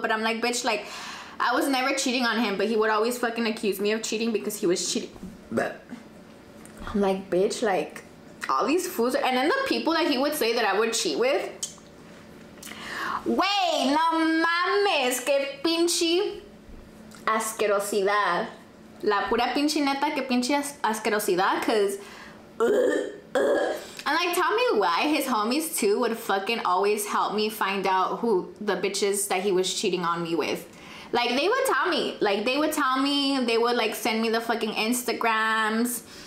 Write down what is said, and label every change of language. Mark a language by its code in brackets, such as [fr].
[en] But I'm like, bitch, like, I was never cheating on him. But he would always fucking accuse me of cheating because he was cheating. But... I'm like, bitch, like, all these fools are... And then the people that he would say that I would cheat with. Wait, [es] no mames, que pinche asquerosidad. La pura pinche neta, que pinche asquerosidad, [en] because... And, like, tell me why his homies, too, would fucking always help me find out who the bitches that he was cheating on me with. Like, they would tell me. Like, they would tell me. They would, like, send me the fucking Instagrams.